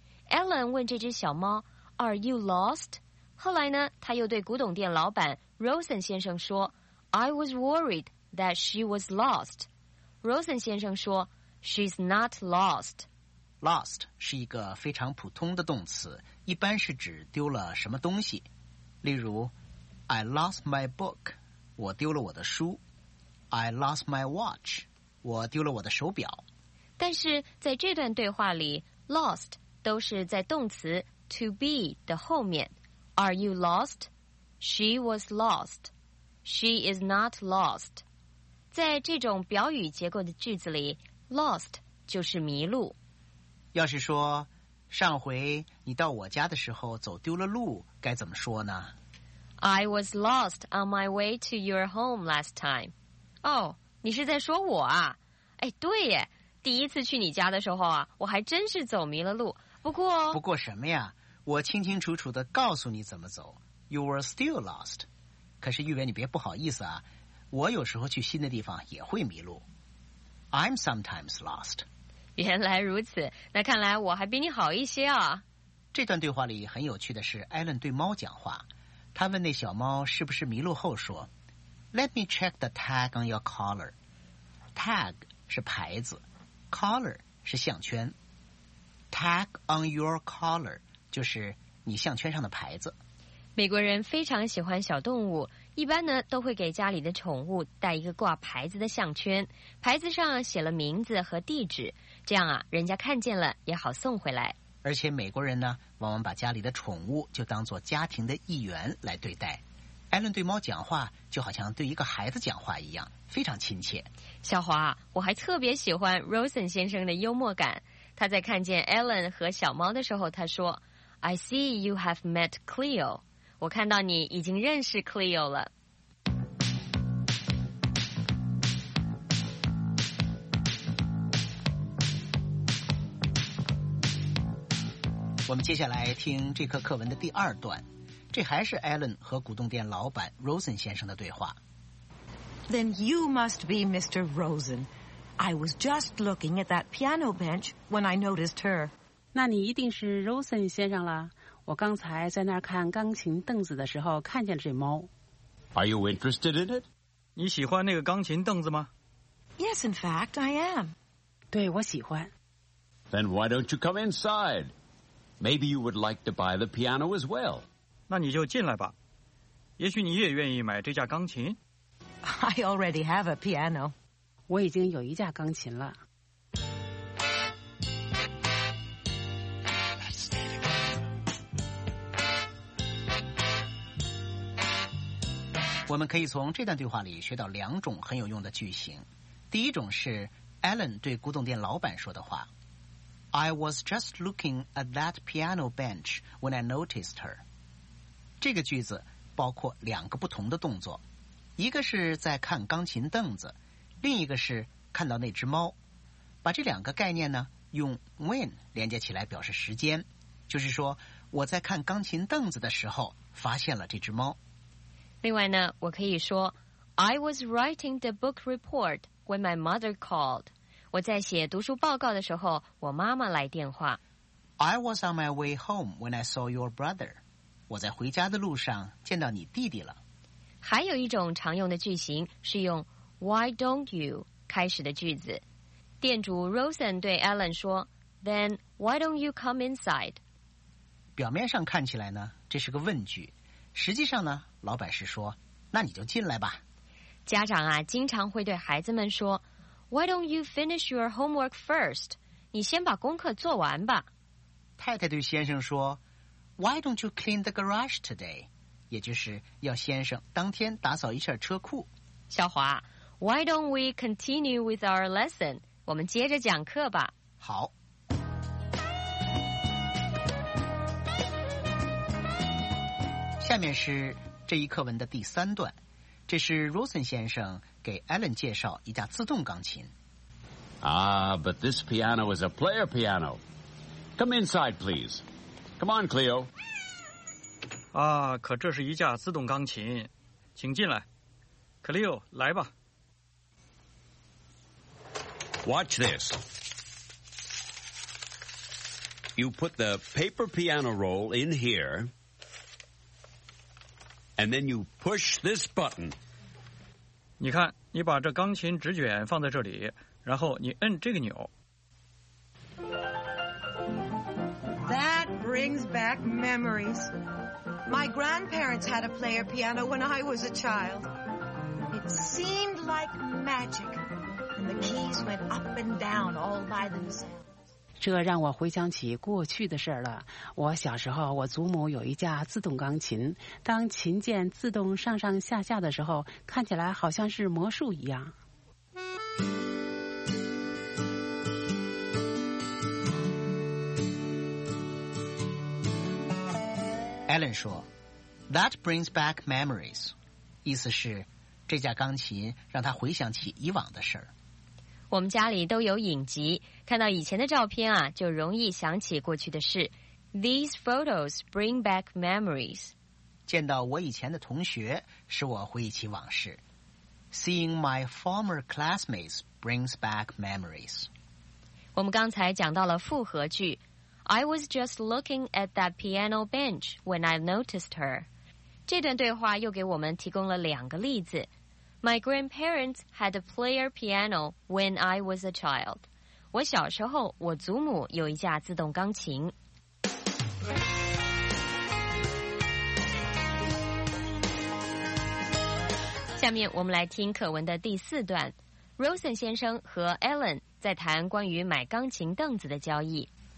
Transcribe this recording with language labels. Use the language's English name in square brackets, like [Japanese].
[Chinese] Ellen 问这只小猫 , [English] Are you lost? [Chinese] 后来呢他又对古董店老板 Rosen 先生说 , [English] I was worried that she was lost. [Chinese] Rosen 先生说 , [English] She's not lost. [Chinese] Lost 是一个非常普通的动词，一般是指丢了什么东西。例如 [English] ,I lost my book. [Chinese] 我丢了我的书 ， [English] I lost my watch， [Chinese] 我丢了我的手表。但是在这段对话里 ，lost 都是在动词 to be 的后面。 [English] Are you lost? She was lost. She is not lost. [Chinese] 在这种表语结构的句子里 ，lost 就是迷路。要是说上回你到我家的时候走丢了路，该怎么说呢？ [English] I was lost on my way to your home last time. [Chinese] 哦，你是在说我啊？哎，对耶，第一次去你家的时候啊，我还真是走迷了路。不过什么呀？我清清楚楚地告诉你怎么走。 [English] You were still lost. [Chinese] 可是玉伟，你别不好意思啊，我有时候去新的地方也会迷路。 [English] I'm sometimes lost. [Chinese] 原来如此，那看来我还比你好一些啊。这段对话里很有趣的是，艾伦对猫讲话。他问那小猫是不是迷路后说 [English] Let me check the tag on your collar. [Chinese] Tag 是牌子， collar 是项圈。 Tag on your collar 就是你项圈上的牌子。美国人非常喜欢小动物，一般呢都会给家里的宠物带一个挂牌子的项圈，牌子上写了名字和地址，这样啊人家看见了也好送回来。而且美国人呢，往往把家里的宠物就当作家庭的一员来对待。艾伦对猫讲话，就好像对一个孩子讲话一样，非常亲切。小华，我还特别喜欢 Rosen 先生的幽默感。他在看见艾伦和小猫的时候，他说 ： [English] “I see you have met Cleo。” [Chinese] 我看到你已经认识 Cleo 了。我们接下来听这课课文的第二段，这还是 Alan 和古董店老板 Rosen 先生的对话。 [English] Then you must be Mr. Rosen. I was just looking at that piano bench when I noticed her. [Chinese] 那你一定是 Rosen 先生了。我刚才在那儿看钢琴凳子的时候看见这猫。 [English] Are you interested in it? [Chinese] 你喜欢那个钢琴凳子吗？ [English] Yes, in fact, I am. [Chinese] 对，我喜欢。 [English] Then why don't you come inside? Maybe you would like to buy the piano as well. [Chinese] 那你就进来吧。也许你也愿意买这架钢琴。 [English] I already have a piano. [Chinese] 我已经有一架钢琴了。我们可以从这段对话里学到两种很有用的句型。第一种是 Alan 对古董店老板说的话。 [English] I was just looking at that piano bench when I noticed her. [Chinese] 这个句子包括两个不同的动作，一个是在看钢琴凳子，另一个是看到那只猫。把这两个概念呢，用 when 连接起来表示时间，就是说我在看钢琴凳子的时候发现了这只猫。另外呢，我可以说 [English] I was writing the book report when my mother called. [Chinese] 我在写读书报告的时候，我妈妈来电话。 [English] I was on my way home when I saw your brother. [Chinese] 我在回家的路上见到你弟弟了。还有一种常用的句型是用 Why don't you 开始的句子。 [English] 店主 Rosen 对 Alan 说 Then why don't you come inside? [Chinese] 表面上看起来呢，这是个问句。实际上呢，老板是说那你就进来吧。家长啊，经常会对孩子们说 [English] Why don't you finish your homework first? [Chinese] 你先把功课做完吧。太太对先生说 [English] Why don't you clean the garage today? [Chinese] 也就是要先生当天打扫一下车库。 [English] 小华 Why don't we continue with our lesson? [Chinese] 我们接着讲课吧。好。下面是这一课文的第三段。这是 Rosen 先生给 Alan 介绍一架自动钢琴。 [English] Ah, but this piano is a player piano. Come inside, please. Come on, Cleo. [Chinese] 啊，可这是一架自动钢琴，请进来。 Cleo, 来吧。 [English] Watch this. You put the paper piano roll in here, and then you push this button. [Chinese] 你看，你把这钢琴纸卷放在这里，然后你摁这个钮。 [English] That brings back memories. My grandparents had a player piano when I was a child. It seemed like magic. The keys went up and down all by themselves. [Chinese] 这让我回想起过去的事了。我小时候，我祖母有一架自动钢琴，当琴键自动上上下下的时候，看起来好像是魔术一样。 Alan 说 [English] That brings back memories， [Chinese] 意思是这架钢琴让他回想起以往的事儿。我们家里都有影集，看到以前的照片啊，就容易想起过去的事。 [English] These photos bring back memories. [Chinese] 见到我以前的同学，使我回忆起往事。 [English] Seeing my former classmates brings back memories. [Chinese] 我们刚才讲到了复合句。 [English] I was just looking at that piano bench when I noticed her. [Chinese] 这段对话又给我们提供了两个例子。 [English] My grandparents had a player piano when I was a child. [Chinese] 我小时候，我祖母有一架自动钢琴。下面我们来听课文的第四段。Rosen 先生和 Alan 在谈关于买钢琴凳子的交易。